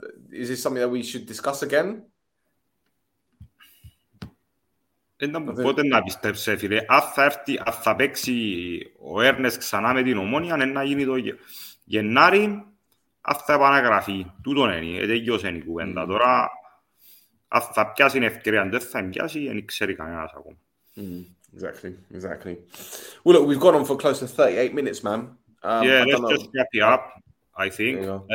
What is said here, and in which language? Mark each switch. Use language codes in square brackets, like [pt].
[en] Is this something that we should discuss again? [el] Οπότε να πιστέψε, φίλε, αν θα έρθει, αν θα παίξει ο Έρνες ξανά με την Ομόνια, να γίνει το Γενάρη, αν θα επαναγραφεί. Τούτον είναι, τελειώσε η κουβέντα. Τώρα, αν θα πιάσει ευκαιρία, αν δεν θα πιάσει, δεν ξέρει κανένας ακόμα. [en] Exactly. Well, look, we've gone on for close to 38 minutes, man. Yeah, let's just wrap it up, I think.